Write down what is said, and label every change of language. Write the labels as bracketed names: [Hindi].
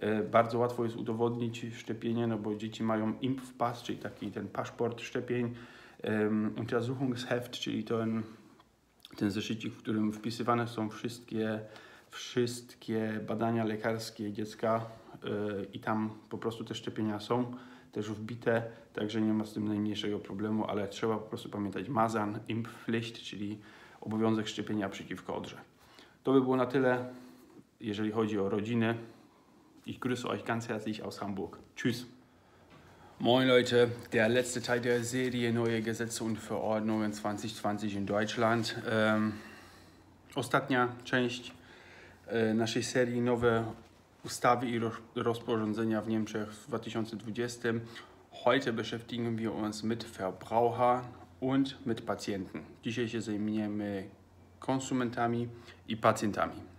[Polish] Bardzo łatwo jest udowodnić szczepienie, no bo dzieci mają Impfpass, czyli taki ten paszport szczepień, Untersuchungsheft, czyli ten zeszycik, w którym wpisywane są wszystkie badania lekarskie dziecka i tam po prostu te szczepienia są też wbite, także nie ma z tym najmniejszego problemu, ale trzeba po prostu pamiętać Masern, Impfpflicht, czyli obowiązek szczepienia przeciwko odrze. To by było na tyle, jeżeli chodzi o rodzinę. [German] Ich grüße euch ganz herzlich aus Hamburg. Tschüss. Moin Leute, der letzte Teil der Serie Neue Gesetze und Verordnungen 2020 in Deutschland. [Polish] Ostatnia część naszej serii Nowe Ustawy i Rozporządzenia w Niemczech w 2020. [German] Heute beschäftigen wir uns mit Verbraucher und mit Patienten. [Polish] Dzisiaj się zajmiemy konsumentami i pacjentami.